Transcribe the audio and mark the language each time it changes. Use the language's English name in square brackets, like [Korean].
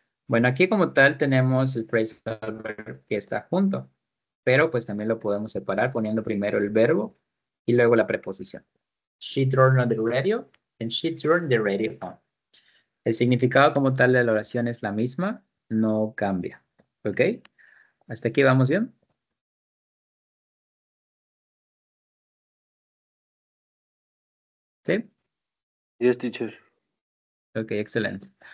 [Spanish] Bueno, aquí como tal tenemos el phrasal verb que está junto, pero pues también lo podemos separar poniendo primero el verbo y luego la preposición. [English] She turned on the radio and she turned the radio on. [Spanish] El significado como tal de la oración es la misma. No cambia. ¿Ok? ¿Hasta aquí vamos bien? ¿Sí? [English] Yes, teacher. [Spanish] Ok, excelente.